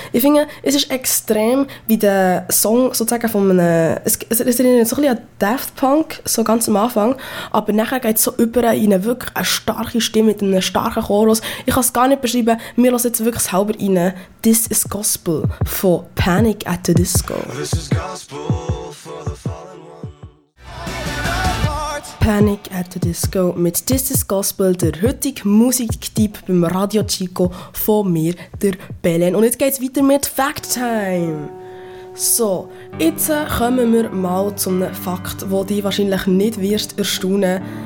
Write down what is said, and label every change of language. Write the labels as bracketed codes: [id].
[de] Ich finde, es ist extrem, wie der Song sozusagen von einem, es erinnert so ein bisschen an Daft Punk, so ganz am Anfang, aber nachher geht es so über in wirklich eine starke Stimme mit einem starken Chorus. Ich kann es gar nicht beschreiben, wir hören jetzt wirklich selber rein, This is Gospel von Panic at the Disco. [en] This is Gospel for the fallen one. [de] Panic at the Disco mit This is Gospel, der heutige Musiktipp beim Radio Chico von mir, der Belen. Und jetzt geht's weiter mit Fact Time. So, jetzt kommen wir mal zu einem Fakt, den dich wahrscheinlich nicht wirst erstaunen.